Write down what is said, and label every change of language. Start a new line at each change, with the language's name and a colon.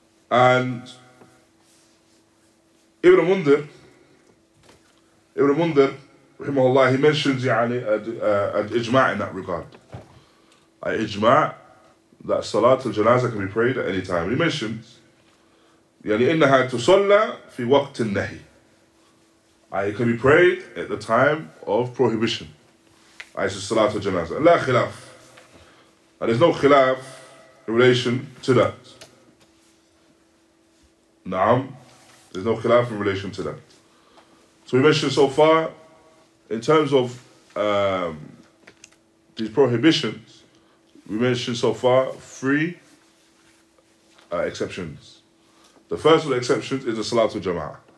English: And Ibn Mundir, rahimahullah, he mentions يعني, an ijma' in that regard. An ijma' that salat al-janazah can be prayed at any time. He mentions,
Arabic: يعني إنها تصلى في وقت النهي.
English: It can be prayed at the time of prohibition. It's a salat al-janazah. La khilaf. And there's no khilaf in relation to that. Naam. There's no khilaf in relation to that. So we mentioned so far, in terms of these prohibitions, we mentioned so far three exceptions. The first of the exceptions is the salat al-jama'ah.